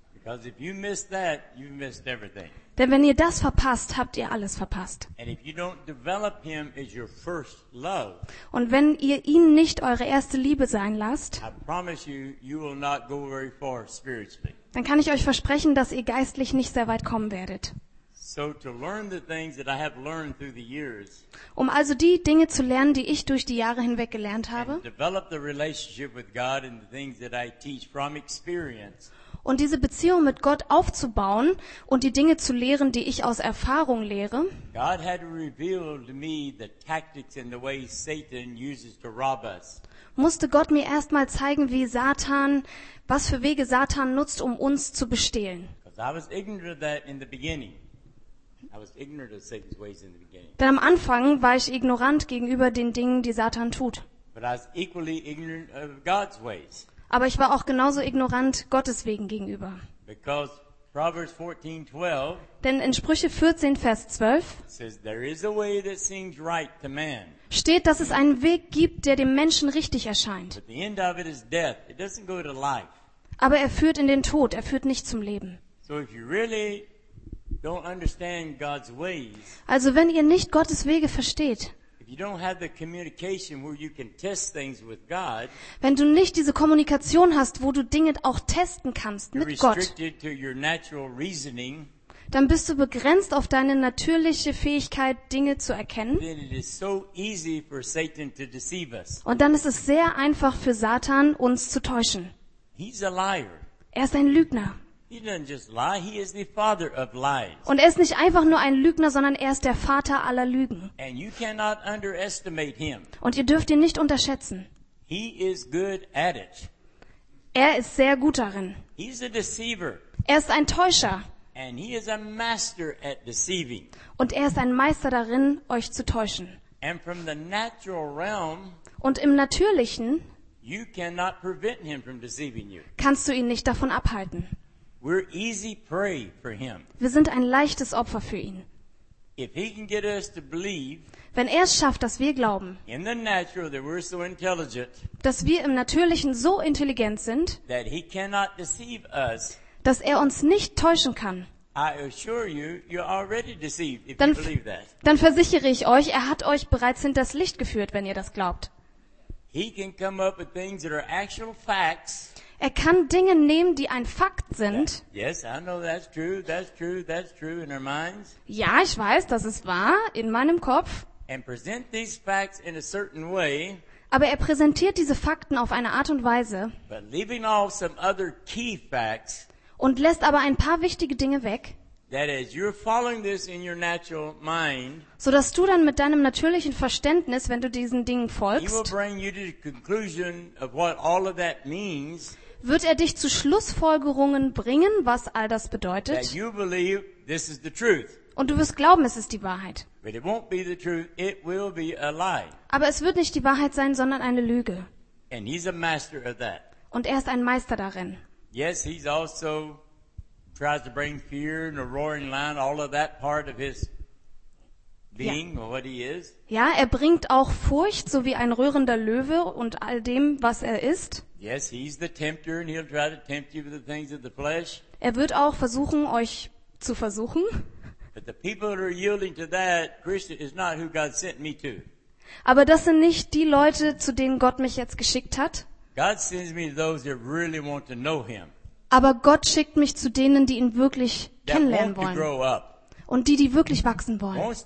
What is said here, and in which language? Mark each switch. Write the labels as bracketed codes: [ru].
[en] Because if you miss that, you missed everything. [de] Denn wenn ihr das verpasst, habt ihr alles verpasst. [en] And if you don't develop him as your first love, [de] und wenn ihr ihn nicht eure erste Liebe sein lasst, [en] I promise you, you will not go very far spiritually. [de] Dann kann ich euch versprechen, dass ihr geistlich nicht sehr weit kommen werdet. [en] So to learn the things that I have learned through the years, [de] um also die Dinge zu lernen, die ich durch die Jahre hinweg gelernt habe, [en] and develop the relationship with God and the things that I teach from experience, [de] und diese Beziehung mit Gott aufzubauen und die Dinge zu lehren, die ich aus Erfahrung lehre. [en] God had revealed me the tactics and the way Satan uses to rob us. [de] Musste Gott mir erstmal zeigen, wie Satan, was für Wege Satan nutzt, um uns zu bestehlen. [en] I was ignorant of that in the beginning. I was ignorant of Satan's ways in the beginning. [de] Denn am Anfang war ich ignorant gegenüber den Dingen, die Satan tut. [en] But I was equally ignorant of God's ways. [de] Aber ich war auch genauso ignorant Gottes wegen gegenüber. [en] Because Proverbs 14, 12, [de] denn in Sprüche 14, Vers 12 [en] says, there is a way that seems right to man, [de] steht, dass es einen Weg gibt, der dem Menschen richtig erscheint. [en] But the end of it is death. It doesn't go to life. [de] Aber er führt in den Tod, er führt nicht zum Leben. [en] So if you really don't understand God's ways, [de] also wenn ihr nicht Gottes Wege versteht, [en] you don't have the communication where you can test things with God, [de] wenn du nicht diese Kommunikation hast, wo du Dinge auch testen kannst mit Gott, [en] you're restricted to your natural reasoning, [de] dann bist du begrenzt auf deine natürliche Fähigkeit, Dinge zu erkennen. [en] Then it is so easy for Satan to deceive us. [de] Und dann ist es sehr einfach für Satan, uns zu täuschen. [en] He's a liar. [de] Er ist ein Lügner. [en] He doesn't just lie, he is the father of lies. [de] Und er ist nicht einfach nur ein Lügner, sondern er ist der Vater aller Lügen. [en] And you cannot underestimate him. [de] Und ihr dürft ihn nicht unterschätzen. [en] He is good at it. [de] Er ist sehr gut darin. [en] He's a deceiver. [de] Er ist ein Täuscher. [en] And he is a master at deceiving. [de] Und er ist ein Meister darin, euch zu täuschen. [en] And from the natural realm, [de] und im Natürlichen, [en] you cannot prevent him from deceiving you. [de] Kannst du ihn nicht davon abhalten. [en] We're easy prey for him. [de] Wir sind ein leichtes Opfer für ihn. [en] If he can get us to believe, [de] wenn er es schafft, dass wir glauben, [en] in the natural, that we're so intelligent, [de] dass wir im Natürlichen so intelligent sind, [en] that he cannot deceive us, [de] dass er uns nicht täuschen kann, [en] I assure you, you're already deceived if you believe that. [de] Dann versichere ich euch, er hat euch bereits hinters Licht geführt, wenn ihr das glaubt. [en] He can come up with things that are actual facts. [de] Er kann Dinge nehmen, die ein Fakt sind. [en] Yes, I know that's true, that's true, that's true in our minds. [de] Ja, ich weiß, das ist wahr, in meinem Kopf. [en] And present these facts in a certain way. [de] Aber er präsentiert diese Fakten auf eine Art und Weise. [en] But leaving off some other key facts, [de] und lässt aber ein paar wichtige Dinge weg. [en] That is, you're following this in your natural mind, [de] so dass du dann mit deinem natürlichen Verständnis, wenn du diesen Dingen folgst, [en] he will bring you to the conclusion of what all of that means, [de] wird er dich zu Schlussfolgerungen bringen, was all das bedeutet, [en] that you believe this is the truth. [de] Und du wirst glauben, es ist die Wahrheit. [en] But it won't be the truth, it will be a lie. [de] Aber es wird nicht die Wahrheit sein, sondern eine Lüge. [en] And he's a master of that. [de] Und er ist ein Meister darin. [en] Yes, he's also tries to bring fear and a roaring lion, all of that part of his being, yeah, or what he is. [de] Ja, er bringt auch Furcht, so wie ein röhrender Löwe und all dem, was er ist. [en] Yes, he's the tempter and he'll try to tempt you with the things of the flesh. [de] Er wird auch versuchen, euch zu versuchen. [en] But the people that are yielding to that, Christian, is not who God sent me to. [de] Aber das sind nicht die Leute, zu denen Gott mich jetzt geschickt hat. [en] God sends me to those that really want to know him. [de] Aber Gott schickt mich zu denen, die ihn wirklich kennenlernen wollen. Und die, die wirklich wachsen wollen.